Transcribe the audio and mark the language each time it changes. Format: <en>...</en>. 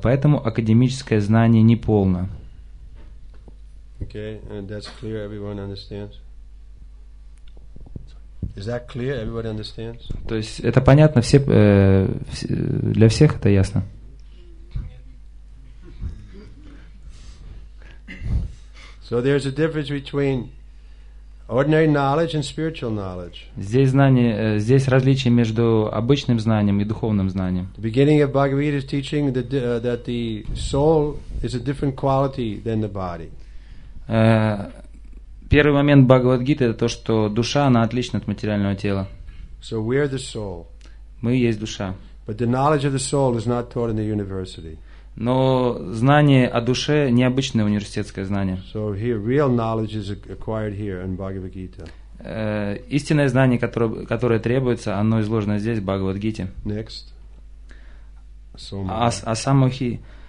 <ru>Поэтому академическое знание не полно.</ru> <en>Okay, and that's clear, everyone understands? Is that clear, everybody understands?</en> <ru>То есть это понятно, все, для всех это ясно.</ru> <en>So there's a difference between ordinary knowledge and spiritual knowledge.</en> <ru>Здесь знание, здесь различие между обычным знанием и духовным знанием.</ru> <en>The beginning of Bhagavad Gita is teaching that that the soul is a different quality than the body.</en> <ru>Первый момент Бхагавад Гиты это то, что душа она отлична от материального тела.</ru> <en>So we're the soul.</en> <ru>Мы есть душа.</ru> <en>But the knowledge of the soul is not taught in the university.</en> <ru>Но знание о душе – необычное университетское знание.</ru> <en>So here, real knowledge is acquired here in Bhagavad Gita.</en> <ru>Истинное знание, которое требуется, оно изложено здесь, в Бхагавад-гите.</ru> <en>Next. Асамухи.</en>